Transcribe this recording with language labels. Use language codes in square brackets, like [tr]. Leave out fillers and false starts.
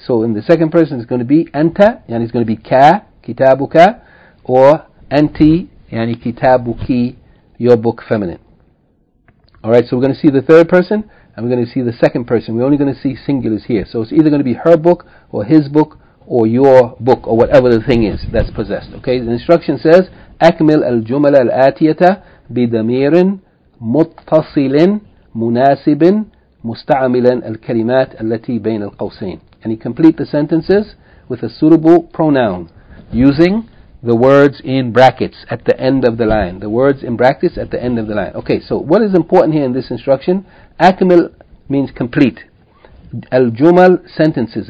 [en] So in the second person, it's going to be anta, yani, it's going to be ka, kitabu ka, or anti, yani, kitabu ki, your book, feminine. Alright, so we're going to see the third person. And we're going to see the second person. We're only going to see singulars here. So it's either going to be her book or his book or your book or whatever the thing is that's possessed. Okay, the instruction says, [ar] أكمل الجملة الآتية بضمير متصل مناسب مستعملا الكلمات التي بين القوسين. [en] And you complete the sentences with a suitable pronoun using the words in brackets at the end of the line. The words in brackets at the end of the line. Okay, so what is important here in this instruction? Akmil means complete. Al-Jumal, sentences.